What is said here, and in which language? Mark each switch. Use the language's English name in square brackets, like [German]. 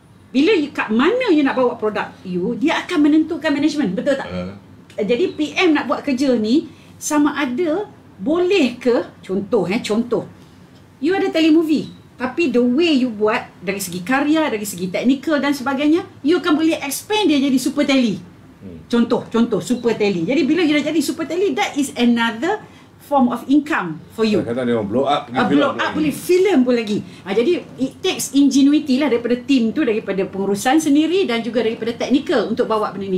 [Malay] Bila you kat mana you nak bawa produk you, dia akan menentukan management, betul tak? Jadi PM nak buat kerja ni, sama ada boleh ke, contoh, you ada telemovie, tapi the way you buat, dari segi karya, dari segi teknikal dan sebagainya, you akan boleh expand dia jadi super tele. Contoh, super tele. Jadi bila you dah jadi super tele, [English] that is another form of income for you. [Malay] Kata dia orang blow up, film pun lagi. Jadi [English] it takes ingenuity [Malay] lah daripada team tu, daripada pengurusan sendiri dan juga daripada teknikal untuk bawa benda ni.